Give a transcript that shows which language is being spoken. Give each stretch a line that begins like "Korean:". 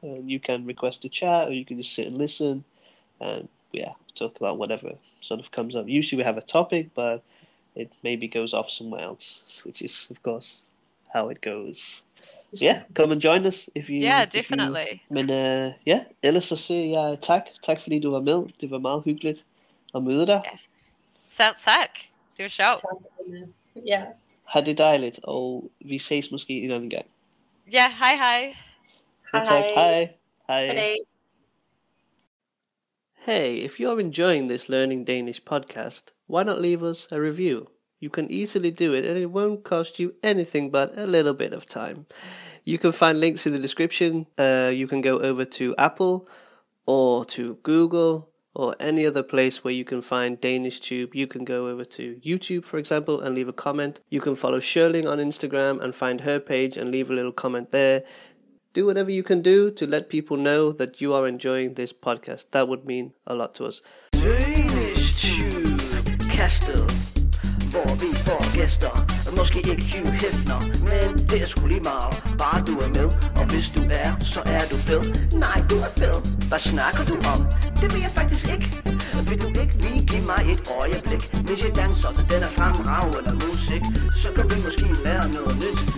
English: And you can request a chat or you can just sit and listen. And yeah, talk about whatever sort of comes up. Usually we have a topic, but it maybe goes off somewhere else, which is, of course, how it goes. So yeah, come and join us if you... Yeah, definitely.
Danish: Ellers så siger jeg tak. Tak fordi du var med. Det var meget hyggeligt at møde dig. Yes. Selv tak. Det var sjovt. Tak. Ja. Ha' det dejligt, og vi ses måske en anden gang. Ja, hej hej. Hej hej. Tak. Hej. Hej. Hej.
English: Hey, if you're enjoying this Learning Danish podcast, why not leave us a review? You can easily do it and it won't cost you anything but a little bit of time. You can find links in the description. You can go over to Apple or to Google or any other place where you can find Danish Tube. You can go over to YouTube, for example, and leave a comment. You can follow Shirling on Instagram and find her page and leave a little comment there. Do whatever you can do to let people know that you are enjoying this podcast. That would mean a lot to us. Danish Tube Kastel.
Danish: Hvor vi får gæster, måske ikke Hugh Hefner, men det er sgu lige meget. Bare du er med, og hvis du er, så er du fed. Nej, du er fed. Hvad snakker du om? Det vil jeg faktisk ikke. Vil du ikke lige give mig et øjeblik? Hvis jeg danser til den er fremragende musik, så kan vi måske lære noget nyt.